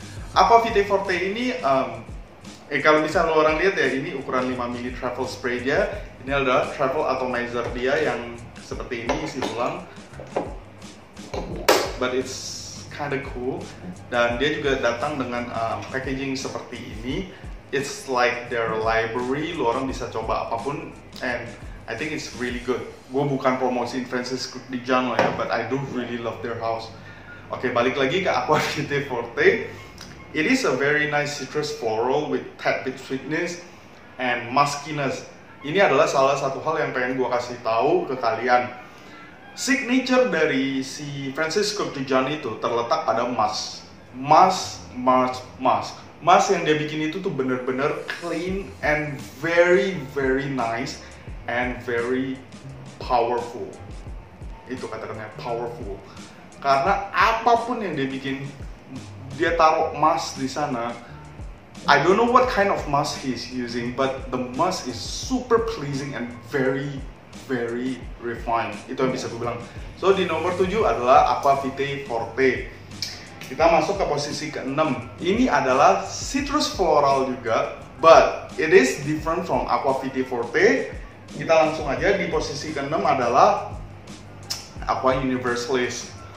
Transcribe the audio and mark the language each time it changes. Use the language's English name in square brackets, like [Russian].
[Indonesian] Aqua Vitae Forte ini kalau bisa lu orang lihat ya, ini ukuran 5 ml travel spray dia. Ini adalah travel atomizer dia yang seperti ini isi ulang. [English] But it's kinda cool, [Indonesian] dan dia juga datang dengan packaging seperti ini. [English] It's like their library, [Indonesian] lu orang bisa coba apapun, [English] and I think it's really good. [Indonesian] Gua bukan promosiin Francis Kurkdjian ya, [English] but I do really love their house. Okay, [Indonesian] balik lagi ke [English] Aqua Vitae Forte. It is a very nice citrus floral with tad bit sweetness and muskiness. [Indonesian] Ini adalah salah satu hal yang pengen gua kasih tahu ke kalian. Signature dari si Francis Kurkdjian itu terletak pada musk. Mas yang dia bikin itu tuh bener-bener [English] clean and very very nice and very powerful. [Indonesian] Itu katanya powerful. Karena apapun yang dia bikin, dia taruh mas di sana. [English] I don't know what kind of mas he's using, but the mas is super pleasing and very very refined. [Indonesian] Itu yang bisa gue bilang. So di nomor 7 adalah Aqua Vitae Forte. Kita masuk ke posisi ke-6. Ini adalah citrus floral juga, [English] but it is different from Aqua Vitae Forte. [Indonesian] Kita langsung aja di posisi ke-6 adalah Aqua Universalist.